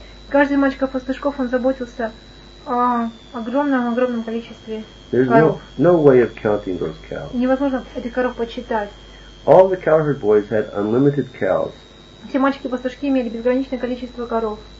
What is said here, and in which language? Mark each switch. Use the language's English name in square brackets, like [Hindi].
[Russian] Каждый мальчиков-пастушков он заботился о огромном количестве коров. [English] There's no way of counting those cows. [Russian] Невозможно этих коров подсчитать. [English] All the cowherd boys had unlimited cows. [Russian] Все мальчики-пастушки имели безграничное количество коров.